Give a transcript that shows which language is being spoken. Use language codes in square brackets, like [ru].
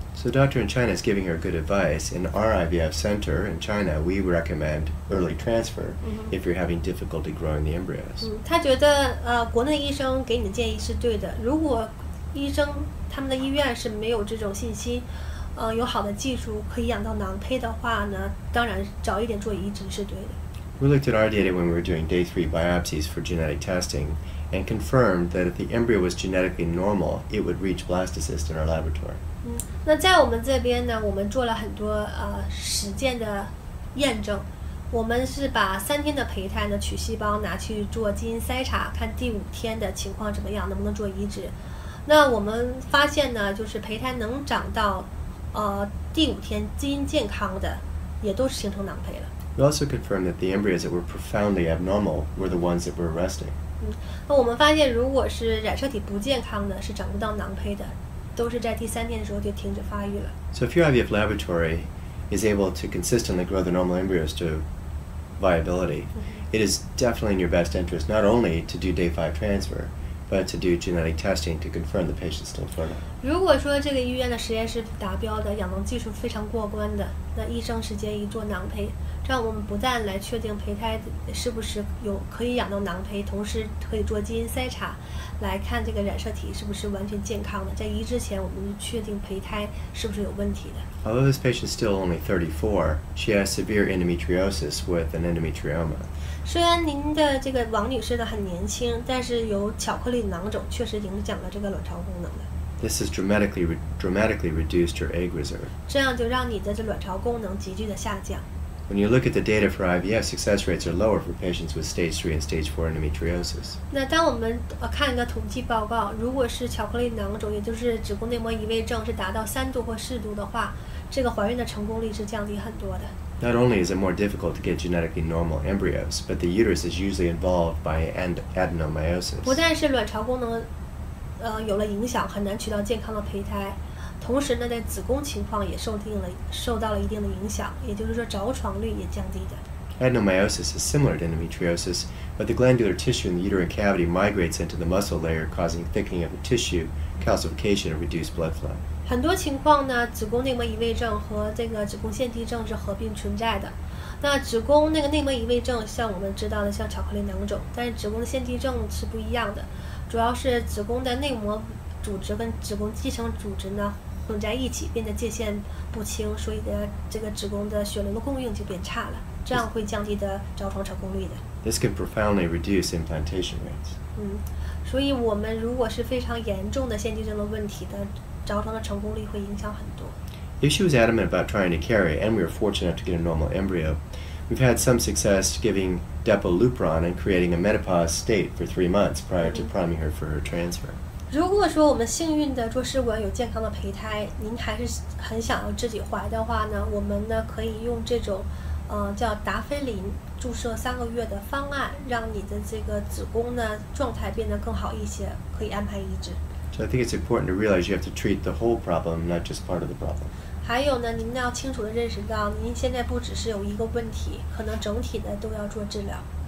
[en] So the doctor in China is giving her good advice. In our IVF center in China, we recommend early transfer if you're having difficulty growing the embryos. [zh] 他觉得国内医生给你的建议是对的。如果医生他们的医院是没有这种信心，有好的技术可以养到囊胚的话呢，当然早一点做移植是对的。 [en] We looked at our data when we were doing day 3 biopsies for genetic testing and confirmed that if the embryo was genetically normal, it would reach blastocyst in our laboratory. [zh] 那在我们这边呢，我们做了很多实践的验证。我们是把三天的胚胎呢取细胞拿去做基因筛查，看第五天的情况怎么样，能不能做移植。那我们发现呢，就是胚胎能长到第五天基因健康的，也都是形成囊胚了。 [en] We also confirmed that the embryos that were profoundly abnormal were the ones that were arresting. [zh] 那我们发现，如果是染色体不健康的，是长不到囊胚的。都是在第三天的时候就停止发育了。 [en] So if your IVF laboratory is able to consistently grow the normal embryos to viability, it is definitely in your best interest not only to do day 5 transfer, but to do genetic testing to confirm the patient's still fertile. [zh] 如果说这个医院的实验室达标的，养囊技术非常过关的，那医生是建议做囊胚，这样我们不但来确定胚胎是不是有可以养到囊胚，同时可以做基因筛查。来看这个染色体是不是完全健康的，在移植前我们确定胚胎是不是有问题的。 [en] Although this patient is still only 34, she has severe endometriosis with an endometrioma. [zh] 虽然您的这个王女士呢很年轻，但是有巧克力囊肿，确实影响了这个卵巢功能的。 [en] This has dramatically reduced her egg reserve. [zh] 这样就让你的这卵巢功能急剧的下降。 [en] When you look at the data for IVF, success rates are lower for patients with stage 3 and stage 4 endometriosis. [zh] 那当我们看一个统计报告，如果是巧克力囊肿，也就是子宫内膜移位症，是达到三度或四度的话，这个怀孕的成功率是降低很多的。 [en] Not only is it more difficult to get genetically normal embryos, but the uterus is usually involved by adenomyosis. [zh] 不但是卵巢功能，有了影响，很难取到健康的胚胎。同时呢，在子宫情况也受到了一定的影响，也就是说着床率也降低的。 [en] Adenomyosis is similar to endometriosis, but the glandular tissue in the uterine cavity migrates into the muscle layer, causing thickening of the tissue, calcification, and reduced blood flow. [zh] 很多情况呢，子宫内膜移位症和这个子宫腺体症是合并存在的。那子宫那个内膜移位症，像我们知道的，像巧克力囊肿，但是子宫的腺体症是不一样的，主要是子宫的内膜。组织跟子宫基层组织呢混在一起，变得界限不清，所以的这个子宫的血流的供应就变差了，这样会降低的着床成功率的。 [en] This can profoundly reduce implantation rates. [zh] 所以我们如果是非常严重的腺体症的问题的，着床的成功率会影响很多。 [en] If she was adamant about trying to carry, and we were fortunate to get a normal embryo, we've had some success giving dapalupron and creating a menopause state for 3 months prior to priming her for her transfer. [zh] 如果说我们幸运的做试管有健康的胚胎，您还是很想要自己怀的话呢，我们呢可以用这种，叫达菲林注射3个月的方案，让你的这个子宫呢状态变得更好一些，可以安排移植。 [en] So I think it's important to realize you have to treat the whole problem, not just part of the problem. [zh] 还有呢，您要清楚的认识到，您现在不只是有一个问题，可能整体的都要做治疗。